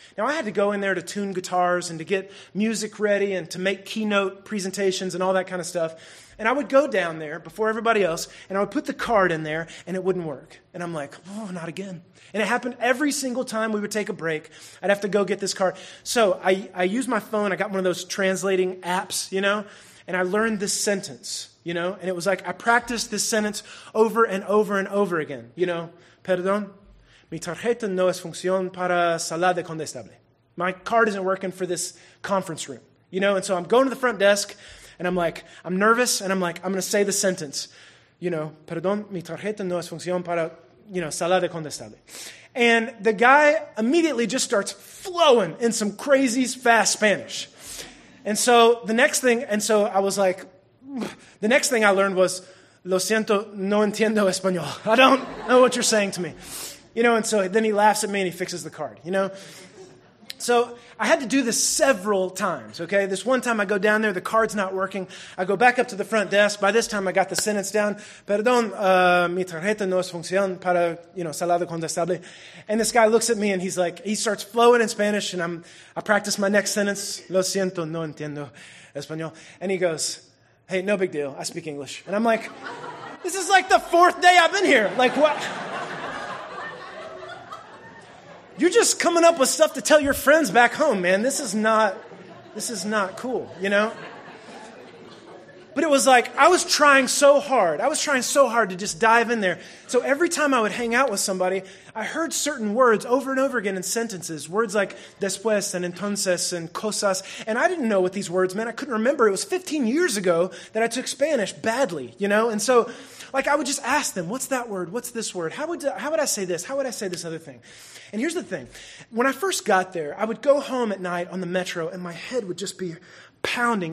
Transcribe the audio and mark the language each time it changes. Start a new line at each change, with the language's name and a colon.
English: Now, I had to go in there to tune guitars and to get music ready and to make keynote presentations and all that kind of stuff, and I would go down there before everybody else, and I would put the card in there, and it wouldn't work, and I'm like, oh, not again, and it happened every single time we would take a break. I'd have to go get this card, so I used my phone. I got one of those translating apps, you know, and I learned this sentence. You know, and it was like I practiced this sentence over and over and over again. You know,
Spanish: perdón, mi tarjeta no es función para sala de condestable.
English: My card isn't working for this conference room. You know, and so I'm going to the front desk, and I'm like, I'm nervous, and I'm like, I'm going to say the sentence.
Spanish: You know, perdón, mi tarjeta no es función para,
English: you know,
Spanish: sala de condestable.
English: And the guy immediately just starts flowing in some crazy fast Spanish. And so the next thing, and so I was like, the next thing I learned was,
Spanish: lo siento, no entiendo español.
English: I don't know what you're saying to me. You know, and so then he laughs at me and he fixes the card, you know. So I had to do this several times, okay. This one time I go down there, the card's not working. I go back up to the front desk. By this time I got the sentence down.
Spanish: Perdón, mi tarjeta no es función para, you know, sala de condestable.
English: And this guy looks at me and he's like, he starts flowing in Spanish and I practice my next sentence. Lo siento, no entiendo español. And he goes, hey, no big deal. I speak English. And I'm like, this is like the fourth day I've been here. Like, what? You're just coming up with stuff to tell your friends back home, man. This is not cool, you know? But it was like, I was trying so hard. I was trying so hard to just dive in there. So every time I would hang out with somebody, I heard certain words over and over again in sentences. Words like después and entonces and cosas. And I didn't know what these words meant. I couldn't remember. It was 15 years ago that I took Spanish badly, you know? And so, like, I would just ask them, what's that word? What's this word? How would I say this? How would I say this other thing? And here's the thing. When I first got there, I would go home at night on the metro and my head would just be pounding.